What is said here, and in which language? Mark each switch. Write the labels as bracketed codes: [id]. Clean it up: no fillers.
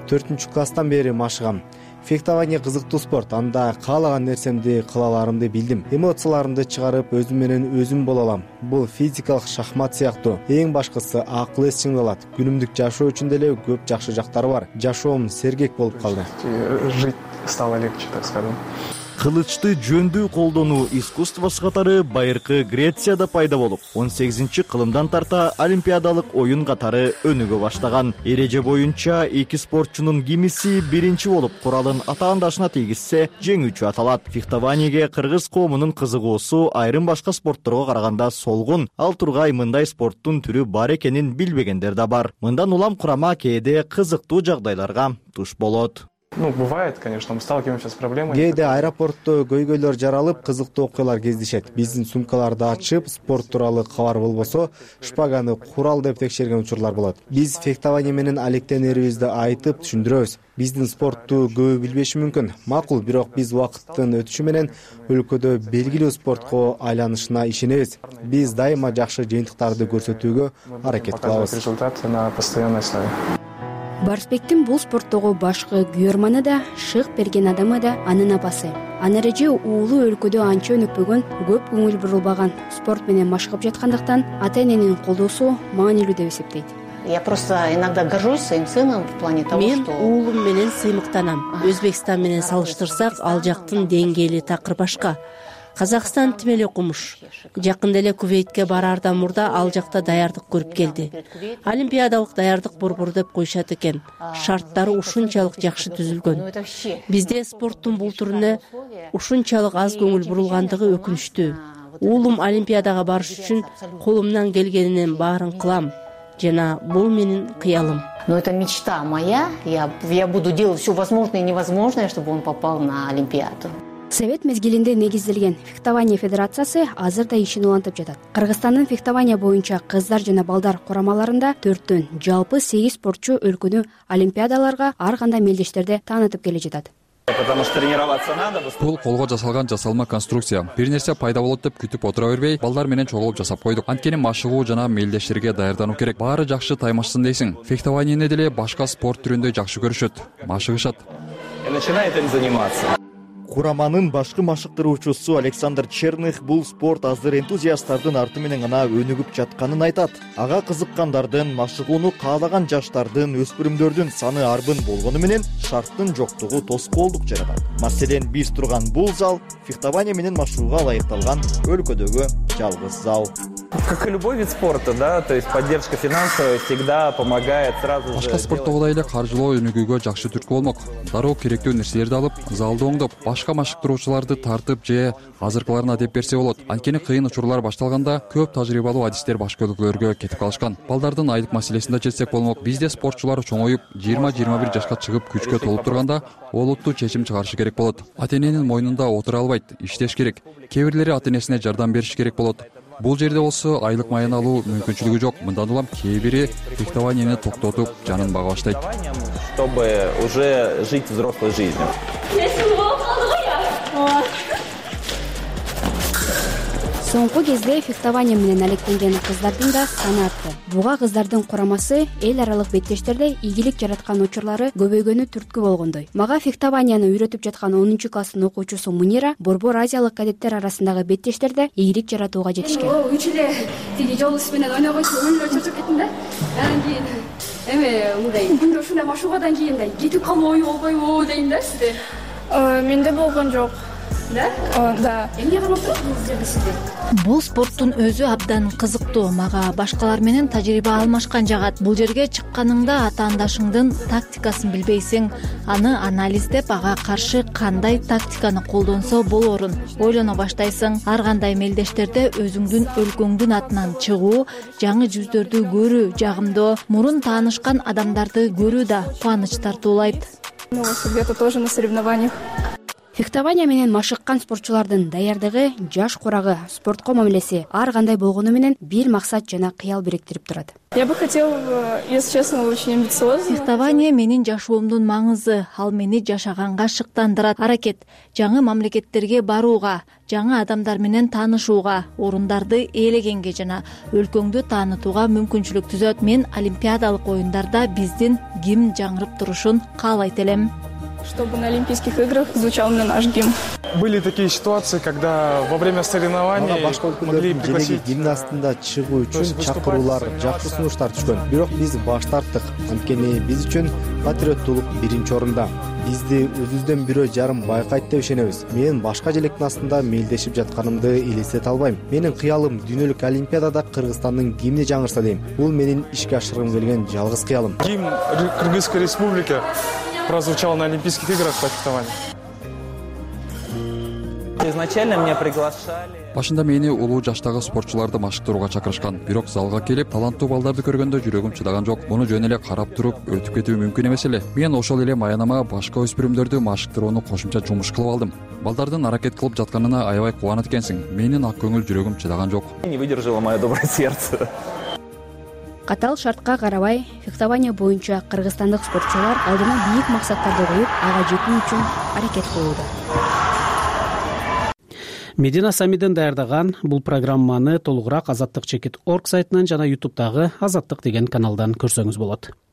[ky] 4-класстан бери машыгам. Фехтование кызыктуу спорт. Анда каалаган нерсемди кыла аларымды билдим. Эмоцияларымды чыгарып өзүм менен өзүм боло алам. Бул физикалык шахмат сыяктуу. Эң башкысы акыл эс чыңдалат. Күнүмдүк жашоо үчүн деле көп жакшы жактары бар. Жашоом сергек болуп калды. [ru] Жить стало легче, так скажем. [ky] Кылычты жөндүү колдонуу искусствосу катары байыркы Грецияда пайда болуп, 18-чи кылымдан тарта олимпиадалык оюн катары өнүгө баштаган. Эреже боюнча 2 спортчунун кимиси биринчи болуп куралын атаандашына тийгизсе жеңүүчү аталат. Фехтованиеге кыргыз коомунун кызыгуусу айрым башка спортторго караганда солгун. Ал тургай мындай спорттун түрү бар экенин билбегендер да бар. Мындан улам курама кээде кызыктуу жагдайларга туш болот. [ru] Ну, бывает, конечно, мы сталкиваемся с проблемой. [ky] Кээде аэропортто көйгөйлөр жаралып, кызыктуу окуялар кездешет. Биздин сумкаларды ачып, спорт тууралуу кабар болбосо, шпаганы курал деп текшерген учурлар болот. Биз фехтование менен алектенерибизди айтып түшүндүрөбүз. Биздин спортту көбү билбеши мүмкүн. Макул, бирок биз убакыттын өтүшү менен өлкөдө белгилүү спортко айланышына ишенебиз. Биз дайыма жакшы жыйынтыктарды көрсөтүүгө аракет кылабыз. [ru] Результат на постоянной основе. [ky] Барсбектин бул спорттогу башкы күйөрманы да, шык берген адамы да анын апасы. Анареже уулу өлкөдө анча өнүкпөгөн, көп көңүл бурулбаган спорт менен машыгып жаткандыктан ата-эненин колдоосу маанилүү деп эсептейт. [ru] Я просто иногда горжусь своим сыном в плане того, [ky] мен уулум менен сыймыктанам. Өзбекстан менен салыштырсак, ал жактын деңгээли такыр башка. Казакстан тим эле кумуш. Жакында эле Кувейтке барарда мурда ал жакта даярдык көрүп келди. Олимпиадалык даярдык борбор деп коюшат экен. Шарттары ушунчалык жакшы түзүлгөн. Бизде спорттун бул түрүнө ушунчалык аз көңүл бурулгандыгы өкүнүчтүү. Уулум олимпиадага барыш үчүн колумдан келгенинин баарын кылам. Жана бул менин кыялым. [ru] Но это мечта моя. Я буду делать все возможное и невозможное, чтобы он попал на Олимпиаду. [ky] Совет мезгилинде негизделген фехтование федерациясы азырда ишин улантып жатат. Кыргызстандын фехтование боюнча кыздар жана балдар курамаларында 4-төн жалпы 8 спортчу өлкөнү олимпиадаларга ар кандай мелдештерде таанытып келе жатат. [ru] Потому что тренироваться надо. [ky] Бул колго жасалган жасалма конструкция. Бир нерсе пайда болот деп күтүп отура бербей, балдар менен чогулуп жасап койдук. Анткени машыгуу жана мелдештерге даярдануу керек. Баары жакшы таймашсын дейсиң. Фехтованиени деле башка спорт түрүндө жакшы көрүшөт, машыгышат. [ru] Начинает им заниматься. [ky] Кураманын башкы машыктыруучусу Александр Черных бул спорт азыр энтузиасттардын арты менен гана өнүгүп жатканын айтат. Ага кызыккандардын, машыгууну каалаган жаштардын, өспүрүмдөрдүн саны арбын болгону менен шарттын жоктугу тоскоолдук жаратат. Маселен, биз турган бул зал фехтование менен машыгууга ылайыкталган өлкөдөгү жалгыз зал. [ru] Как и любой вид спорта, да, то есть поддержка финансовая всегда помогает сразу же. [ky] Башка спорттогудай эле каржылоо өнүгүүгө жакшы түрткү болмок. Дароо керектүү нерселерди алып, залды оңдоп, башка машыктыруучуларды тартып же азыркыларына деп берсе болот. Анткени кыйын учурлар башталганда көп тажрыйбалуу адистер башка өлкөлөргө кетип калышкан. Балдардын айлык маселесинде чечсек болмок. Бизде спортчулар чоңоюп, 20-21 жашка чыгып күчкө толуп турганда олуттуу чечим чыгарышы керек болот. Ата-эненин мойнунда отура албайт, иштеш керек. Кээ бирлери ата-энесине жардам бериш керек болот. Бул жерде болсо айлык маяны алуу мүмкүнчүлүгү жок. Мындан улам кээ бири фехтованиени токтотуп жанын бага баштайт. [ru] Чтобы уже жить взрослой жизнью. [ky] Соңку кезде фехтование менен алектенген кыздардын да саны артты. Буга кыздардын курамасы эл аралык беттештерде ийгилик жараткан учурлары көбөйгөнү түрткү болгондой. Мага фехтованияны үйрөтүп жаткан 10-чу класстын окуучусу Мунира борбор азиялык кадеттер арасындагы беттештерде ийгилик жаратууга жетишкен. Эми ооч эле тиги жолубуз менен ойногонсо көңүлү чочуп кеттим да. Анан кийин эми мындай күндө ушундай машыгуудан кийин да кетип калма ой болбойбу дейм да сизге. Менде болгон жок. Да? Эмне кармап турасыз? Бул спорттун өзү абдан кызыктуу. Мага башкалар менен тажрыйба алмашкан жагат. Бул жерге чыкканыңда атаандашыңдын тактикасын билбейсиң. Аны анализдеп, ага каршы кандай тактиканы колдонсо болорун ойлоно баштайсың. Ар кандай мелдештерде өзүңдүн өлкөңдүн атынан чыгуу, жаңы жүздөрдү көрүү жагымдуу. Мурун таанышкан адамдарды көрүү да кубаныч тартуулайт. [ru] Где-то тоже на соревнованиях. [ky] Фехтование менен машыккан спортчулардын даярдыгы, жаш курагы, спортко мамилеси ар кандай болгону менен бир максат жана кыял бириктирип турат. [ru] Я бы хотела, если честно, очень амбициозно. [ky] Фехтование менин жашоомдун маңызы, ал мени жашаганга шыктандырат. Аракет жаңы мамлекеттерге барууга, жаңы адамдар менен таанышууга, орундарды ээлегенге жана өлкөңдү таанытууга мүмкүнчүлүк түзөт. Мен олимпиадалык оюндарда биздин гимн жаңырып турушун каалайт элем. [ru] Чтобы на Олимпийских играх звучал мне наш гимн. Были такие ситуации, когда во время соревнований могли пригласить [ky] гимнастында чыгуу үчүн чакыруулар, жакшы сунуштар түшкөн. Бирок биз баш тарттык. Анткени биз үчүн патриоттук биринчи орунда. Бизди өзүбүздөн бирөө жарым байкайт деп ишенебиз. Мен башка желектин астында мелдешип жатканымды элестете албайм. Менин кыялым дүйнөлүк олимпиадада Кыргызстандын гимни жаңырса дейм. Бул менин ишке ашыргым келген жалгыз кыялым. [ru] Гимн Кыргызской Республики прозвучал на Олимпийских играх по фехтованию. Изначально меня приглашали. [ky] Башында мени улуу жаштагы спортчуларды машыктырууга чакырышкан. Бирок залга келип, таланттуу балдарды көргөндө жүрөгүм чыдаган жок. Муну жөн эле карап туруп өтүп кетүү мүмкүн эмес эле. Мен ошол эле маянама башка өспүрүмдөрдү машыктырууну кошумча жумуш кылып алдым. Балдардын аракет кылып жатканына аябай кубанат экенсиң. Менин ак көңүл жүрөгүм чыдаган жок. [ru] Не выдержало мое доброе сердце. [ky] Катал шартка карабай, фехтование боюнча кыргызстандык спортчулар алдына бийик максаттарды коюп, ага жетүү үчүн аракет кылууда. Медина Самиден даярдаган бул программаны толугураак Азаттык чекит орг сайтынан жана YouTube-дагы Азаттык деген каналдан көрсөңүз болот.